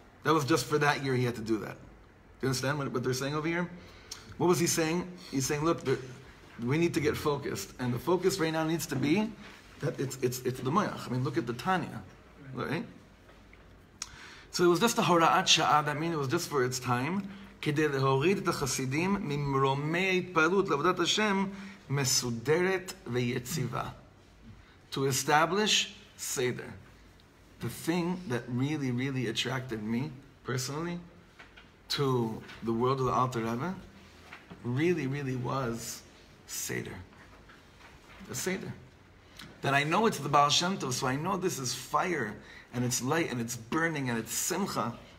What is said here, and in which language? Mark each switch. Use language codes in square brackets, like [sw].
[en] That was just for that year he had to do that. Do you understand what they're saying over here? What was he saying? He's saying, look, we need to get focused. And the focus right now needs to be that it's the mayach. I mean, look at the Tanya, right? So it was just a [he] hora'at sha'a. [en] That means it was just for its time. [he] כדי להוריד את החסידים ממרומי ההתפעלות לעבודת השם מסודרת ויציבה. [en] To establish seder. The thing that really, really attracted me personally to the world of the Alter Rebbe really, really was seder. The seder. That I know it's the Baal Shem Tov, so I know this is fire and it's light and it's burning and it's simcha.